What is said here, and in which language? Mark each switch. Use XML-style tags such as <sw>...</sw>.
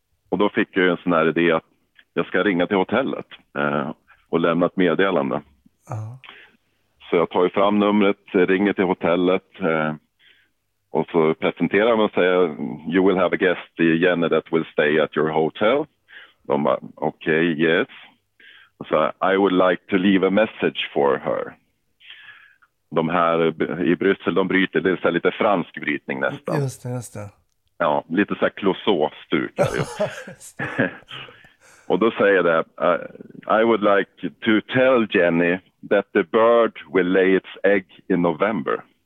<sv>Och då fick jag en sån här idé att jag ska ringa till hotellet och lämna ett meddelande. Uh-huh. Så jag tar ju fram numret, ringer till hotellet och så presenterar jag mig och säger,</sv> <en>you will have a guest, the Jenny that will stay at your hotel.</en> <sv>De bara, okej,</sv> <en>okay, yes.</en> <sv>Och så,</sv> <en>I would like to leave a message for her.</en> <sv>De här i Bryssel, de bryter, det är lite fransk brytning nästan. Just det, just det. Ja, lite så här klosåstuk. Och då säger jag det.</sv> <en>I would like to tell Jenny that the bird will lay its egg in November.</en>